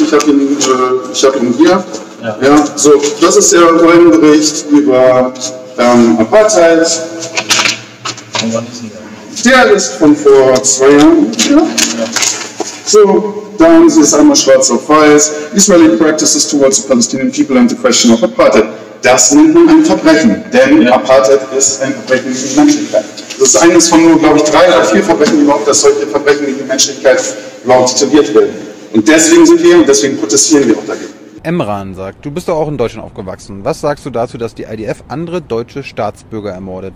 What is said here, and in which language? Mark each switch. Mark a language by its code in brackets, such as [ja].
[de] Ich habe ihn hier. Ja. Ja, so, das ist der UN-Bericht über Apartheid. Der ist von vor zwei Jahren. Ja. So, dann ist es einmal schwarz auf weiß. [en] Israeli practices towards the Palestinian people and the question of apartheid. [de] Das nennt man ein Verbrechen, denn Apartheid ist ein Verbrechen gegen die Menschlichkeit. Das ist eines von nur, glaube ich, drei oder vier Verbrechen überhaupt, dass solche Verbrechen gegen die Menschlichkeit laut tituliert werden. Und deswegen sind wir und deswegen protestieren wir auch dagegen. Emran sagt, du bist doch auch in Deutschland aufgewachsen. Was sagst du dazu, dass die IDF andere deutsche Staatsbürger ermordet?